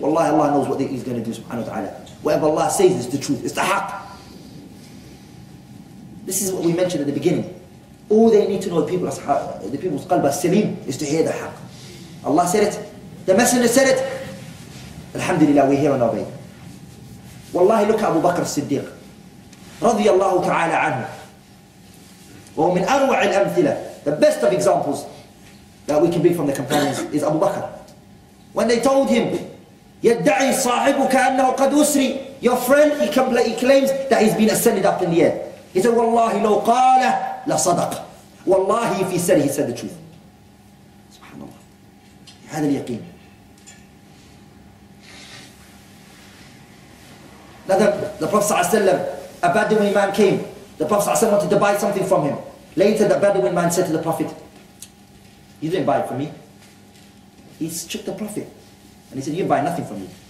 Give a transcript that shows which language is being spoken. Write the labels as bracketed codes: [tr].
[en] Wallahi, Allah knows what He's going to do, subhanahu wa ta'ala. Whatever Allah says is the truth. It's the haqq. This is what we mentioned at the beginning. All they need to know, the people's qalb as-salim, is to hear the haqq. Allah said it, the messenger said it, [ar] الحمد لله [en] we here and obey. [ar] والله لك أبو بكر الصديق رضي الله تعالى عنه وهو من أروع الأمثلة. [en] The best of examples that we can be from the companions is Abu Bakr. When they told him, [ar] يدعي صاحبك أنه قد أسري, [en] your friend, he claims that he's been ascended up in the air. He said, [ar] والله لو قال لصدق. [en] والله if he said the truth. [ar] سبحان الله. هذا اليقين. [en] Now the Prophet صلى الله عليه وسلم, a Bedouin man came. The Prophet صلى الله عليه وسلم wanted to buy something from him. Later the Bedouin man said to the Prophet, you didn't buy it from me. He tricked the Prophet. And he said, you didn't buy nothing from me.